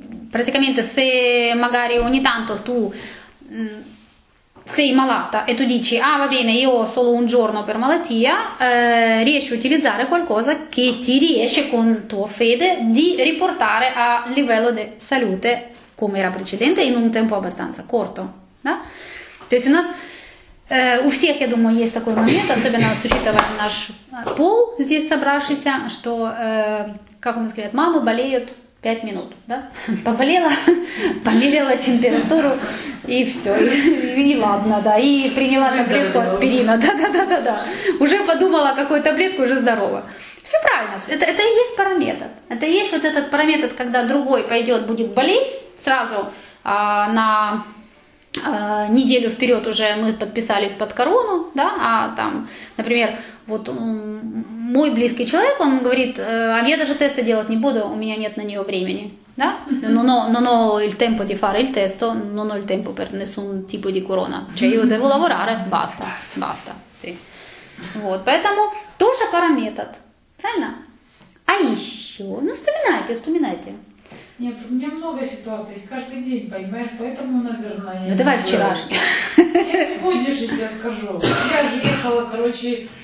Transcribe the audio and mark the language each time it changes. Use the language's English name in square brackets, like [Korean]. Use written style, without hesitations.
[Italian] Praticamente se magari ogni tanto tu sei malata e tu dici ah va bene io ho solo un giorno per malattia, riesci a utilizzare qualcosa che ti riesce con tua fede di riportare a livello di salute come era precedente in un tempo abbastanza corto, [Russian] да? То есть у нас у всех, я думаю, есть такой момент, особенно учитывая наш пол здесь собравшийся, что как он говорит, мамы болеют 5 минут, да? Поболела, померила температуру, и все, и ладно, да, и приняла таблетку аспирина, да-да-да-да-да. Уже подумала, какую таблетку, уже здорова. Все правильно, это и есть параметр. Это и есть вот этот параметр, когда другой пойдет, будет болеть, сразу на неделю вперед уже мы подписались под корону, да, а там, например, вот мой близкий человек, он говорит, а я даже тесты делать не буду, у меня нет на нее времени, да? [Italian] Non ho il tempo di fare il testo, non ho il tempo per nessun tipo di corona. Cioè io devo lavorare, basta, basta. Sì. [Russian] Вот, поэтому тоже параметр, правильно? А еще, ну вспоминайте. Нет, у меня много ситуаций, каждый день, понимаешь, поэтому, наверное... Ну давай вчерашний. Я сегодняшний тебе скажу. Я же ехала, короче...